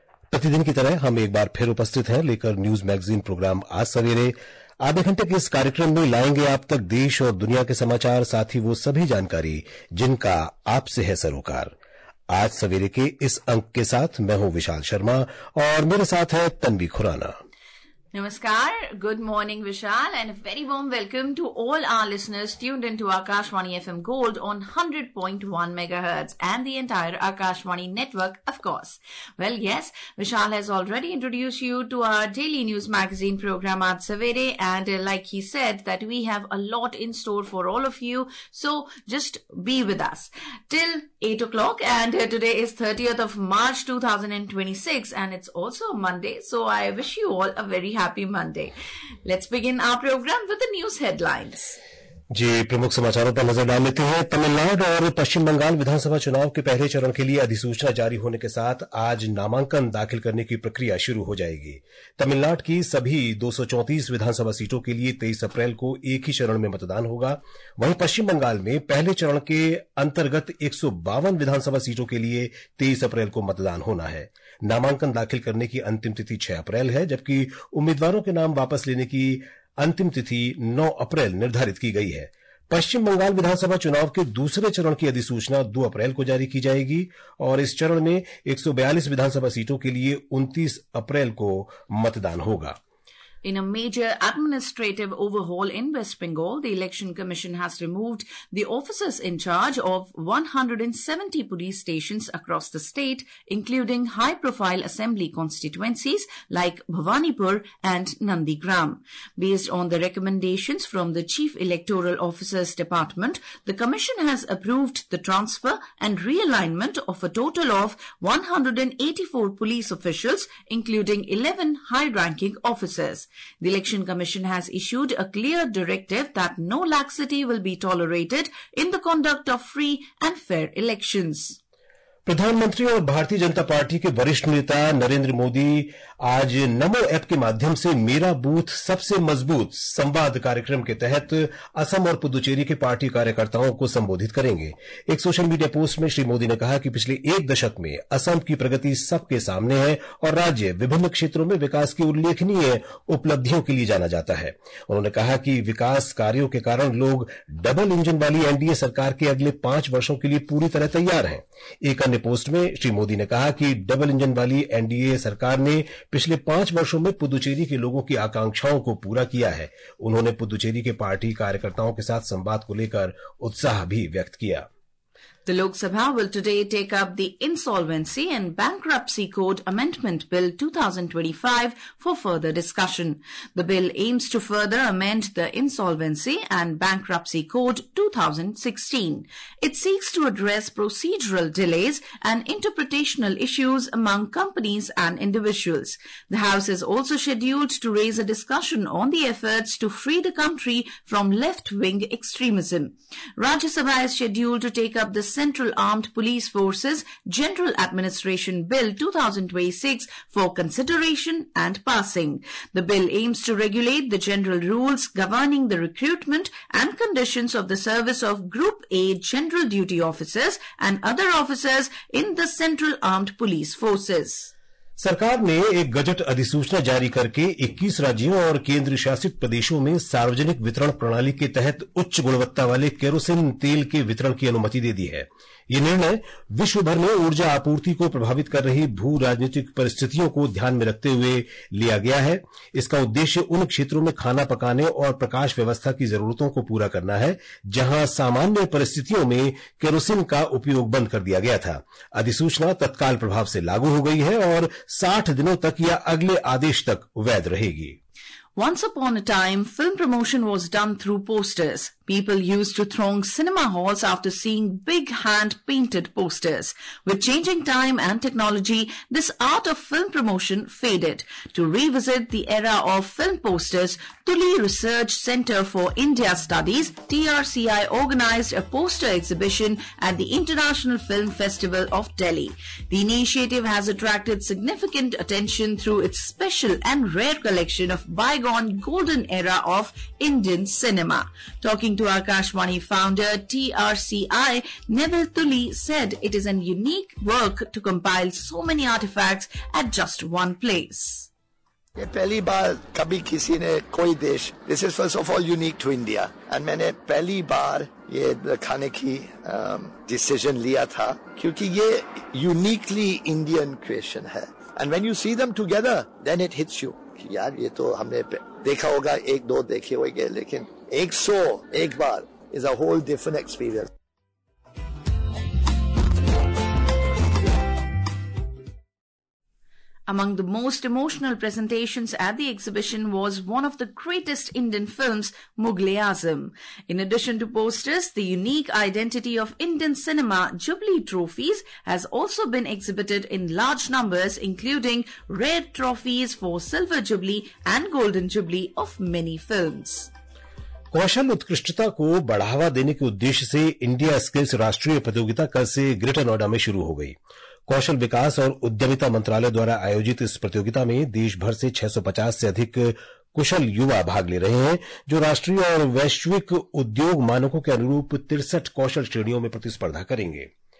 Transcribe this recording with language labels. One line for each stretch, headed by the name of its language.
Hindi: प्रतिदिन की तरह हम एक बार फिर उपस्थित हैं लेकर न्यूज मैगजीन प्रोग्राम आज सवेरे। आधे घंटे के इस कार्यक्रम में लाएंगे आप तक देश और दुनिया के समाचार, साथ ही वो सभी जानकारी जिनका आपसे है सरोकार। आज सवेरे के इस अंक के साथ मैं हूं विशाल शर्मा और मेरे साथ है Tanvi Khurana.
English: Namaskar, good morning Vishal and a very warm welcome to all our listeners tuned into Akashwani FM Gold on 100.1 megahertz and the entire Akashwani network of course. Well yes, Vishal has already introduced you to our daily news magazine program Aaj Savere and like he said that we have a lot in store for all of you, so just be with us till 8 o'clock and today is 30th of March 2026 and it's also Monday, so I wish you all a very Happy Monday. Let's begin our program with the news headlines.
Hindi: जी, प्रमुख समाचारों पर नजर डाल लेते हैं। तमिलनाडु और पश्चिम बंगाल विधानसभा चुनाव के पहले चरण के लिए अधिसूचना जारी होने के साथ आज नामांकन दाखिल करने की प्रक्रिया शुरू हो जाएगी। तमिलनाडु की सभी 234 विधानसभा सीटों के लिए 23 अप्रैल को एक ही चरण में मतदान होगा। वहीं पश्चिम बंगाल में पहले चरण के अंतर्गत 152 विधानसभा सीटों के लिए 23 अप्रैल को मतदान होना है। नामांकन दाखिल करने की अंतिम तिथि 6 अप्रैल है जबकि उम्मीदवारों के नाम वापस लेने की अंतिम तिथि 9 अप्रैल निर्धारित की गई है। पश्चिम बंगाल विधानसभा चुनाव के दूसरे चरण की अधिसूचना 2 अप्रैल को जारी की जाएगी और इस चरण में 142 विधानसभा सीटों के लिए 29 अप्रैल को मतदान होगा।
English: In a major administrative overhaul in West Bengal, the Election Commission has removed the officers in charge of 170 police stations across the state, including high-profile assembly constituencies like Bhavanipur and Nandigram. Based on the recommendations from the Chief Electoral Officers Department, the Commission has approved the transfer and realignment of a total of 184 police officials, including 11 high-ranking officers. The Election Commission has issued a clear directive that no laxity will be tolerated in the conduct of free and fair elections.
Hindi: प्रधानमंत्री और Bharatiya Janata party के वरिष्ठ नेता नरेंद्र मोदी आज नमो app के माध्यम से मेरा बूथ सबसे मजबूत संवाद कार्यक्रम के तहत असम और पुदुचेरी के पार्टी कार्यकर्ताओं को संबोधित करेंगे। एक सोशल मीडिया पोस्ट में श्री मोदी ने कहा कि पिछले एक दशक में असम की प्रगति सबके सामने है और राज्य विभिन्न क्षेत्रों में विकास की उल्लेखनीय उपलब्धियों के लिए जाना जाता है। उन्होंने कहा कि विकास कार्यों के कारण लोग डबल इंजन वाली एनडीए सरकार के अगले 5 वर्षों के लिए पूरी तरह तैयार हैं। अन्य पोस्ट में श्री मोदी ने कहा कि डबल इंजन वाली एनडीए सरकार ने पिछले 5 वर्षों में पुदुचेरी के लोगों की आकांक्षाओं को पूरा किया है। उन्होंने पुदुचेरी के पार्टी कार्यकर्ताओं के साथ संवाद को लेकर उत्साह भी व्यक्त किया।
English: The Lok Sabha will today take up the Insolvency and Bankruptcy Code Amendment Bill 2025 for further discussion. The bill aims to further amend the Insolvency and Bankruptcy Code 2016. It seeks to address procedural delays and interpretational issues among companies and individuals. The House is also scheduled to raise a discussion on the efforts to free the country from left-wing extremism. Rajya Sabha is scheduled to take up the Central Armed Police Forces General Administration Bill 2026 for consideration and passing. The bill aims to regulate the general rules governing the recruitment and conditions of the service of Group A General Duty Officers and other officers in the Central Armed Police Forces.
Hindi: सरकार ने एक gazette अधिसूचना जारी करके 21 राज्यों और केंद्र शासित प्रदेशों में सार्वजनिक वितरण प्रणाली के तहत उच्च गुणवत्ता वाले केरोसिन तेल के वितरण की अनुमति दे दी है। ये निर्णय विश्व भर में ऊर्जा आपूर्ति को प्रभावित कर रही भू राजनीतिक परिस्थितियों को ध्यान में रखते हुए लिया गया है। इसका उद्देश्य उन क्षेत्रों में खाना पकाने और प्रकाश व्यवस्था की जरूरतों को पूरा करना है जहां सामान्य परिस्थितियों में केरोसिन का उपयोग बंद कर दिया गया था। अधिसूचना तत्काल प्रभाव से लागू हो गई है और 60 दिनों तक या अगले आदेश तक वैध रहेगी।
English: Once upon a time, film promotion was done through posters. People used to throng cinema halls after seeing big hand-painted posters. With changing time and technology, this art of film promotion faded. To revisit the era of film posters, Tuli Research Center for India Studies, TRCI, organized a poster exhibition at the International Film Festival of Delhi. The initiative has attracted significant attention through its special and rare collection of bygone golden era of Indian cinema. Talking to Akashwani founder TRCI, Neville Tuli said it is a unique work to compile so many artifacts at just one place.
Hindi: ये पहली बार कभी किसी ने कोई देश
English: this is first of all unique to India and
Hindi: मैंने पहली बार ये दिखाने की डिसीजन लिया था क्योंकि ये
English: uniquely Indian creation
Hindi: है
English: and when you see them together then it hits you
Hindi: कि यार ये तो हमने देखा होगा एक दो देखे होंगे लेकिन 101 bar
English: Is a whole different experience. Among the most emotional presentations at the exhibition was one of the greatest Indian films, Mughal-e-Azam. In addition to posters, the unique identity of Indian cinema, Jubilee trophies, has also been exhibited in large numbers, including rare trophies for Silver Jubilee and Golden Jubilee of many films.
Hindi: कौशल उत्कृष्टता को बढ़ावा देने के उद्देश्य से India skills राष्ट्रीय प्रतियोगिता कल से ग्रेटर नोएडा में शुरू हो गई. कौशल विकास और उद्यमिता मंत्रालय द्वारा आयोजित इस प्रतियोगिता में देश भर से 650 से अधिक कुशल युवा भाग ले रहे हैं जो राष्ट्रीय और वैश्विक उद्योग मानकों के अनुरूप 63 कौशल श्रेणियों में प्रतिस्पर्धा करेंगे.